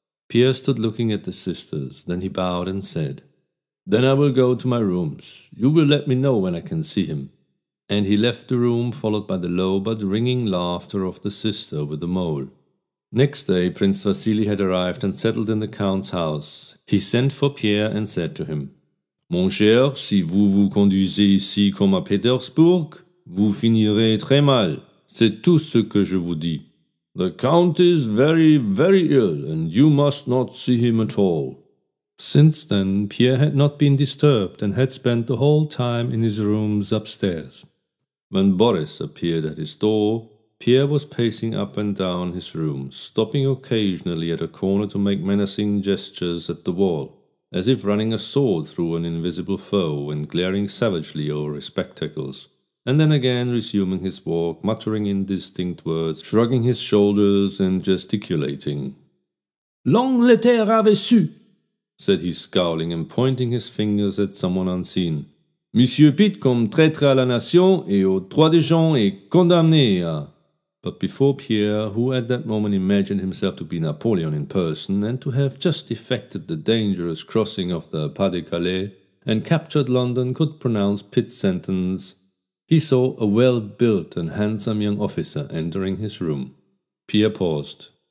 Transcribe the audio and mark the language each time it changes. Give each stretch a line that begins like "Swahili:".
English: Pierre stood looking at the sisters, then he bowed and said, "Then I will go to my rooms. You will let me know when I can see him." And he left the room, followed by the low but ringing laughter of the sister with the mole. Next day, Prince Vasili had arrived and settled in the count's house. He sent for Pierre and said to him,
French: "Mon cher, si vous vous conduisez ici comme à Petersburg, vous finirez très mal. C'est tout ce que je vous dis.
English: The count is very, very ill, and you must not see him at all." Since then, Pierre had not been disturbed and had spent the whole time in his rooms upstairs. When Boris appeared at his door, Pierre was pacing up and down his room, stopping occasionally at a corner to make menacing gestures at the wall, as if running a sword through an invisible foe and glaring savagely over his spectacles, and then again resuming his walk, muttering indistinct words, shrugging his shoulders and gesticulating.
French: "L'Angleterre avait su,"
English: said he, scowling and pointing his fingers at someone unseen.
French: "Monsieur Pitt, comme traître à la nation et aux droits des gens, est condamné à..."
English: But before Pierre, who at that moment imagined himself to be Napoleon in person and to have just effected the dangerous crossing of the Pas de Calais and captured London, could pronounce Pitt's sentence, he saw a well-built and handsome young officer entering his room. Pierre paused.